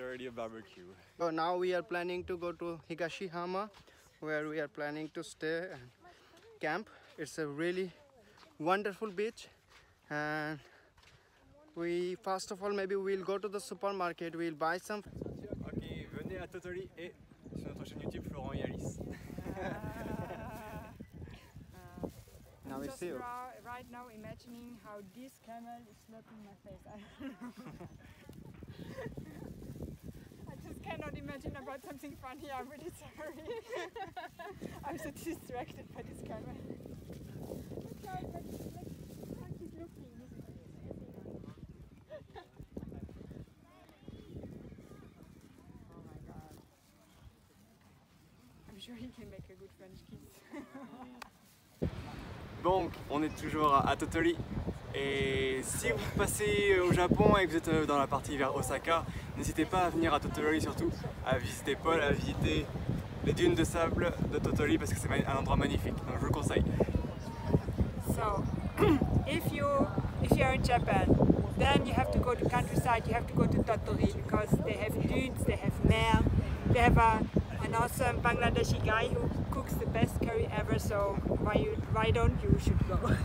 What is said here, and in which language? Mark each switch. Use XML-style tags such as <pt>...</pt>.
<en>already a barbecue. So now we are planning to go to Higashihama, where we are planning to stay and camp. It's a really wonderful beach, and we first of all maybe we'll go to the supermarket, we'll buy some.</en> <fr>Okay, venez à Tottori et sur notre chaîne YouTube Florent et Alice.</fr> <en>Now we see you. Right now imagining how this camel is looking in my face. I cannot imagine about something funny, I'm really sorry. I'm so distracted by this camera. Oh my god. I'm sure he can make a good French kiss.</en> <fr>Donc, on est toujours à Tottori. Et si vous passez au Japon et que vous êtes dans la partie vers Osaka, n'hésitez pas à venir à Tottori, surtout à visiter Paul, à visiter les dunes de sable de Tottori, parce que c'est un endroit magnifique. Donc je vous le conseille.</fr> <en>So, if you're in Japan, then you have to go to countryside, you have to go to Tottori, because they have dunes, they have mer, they have an awesome Bangladeshi guy who cooks the best curry ever, so why don't you should go.</en>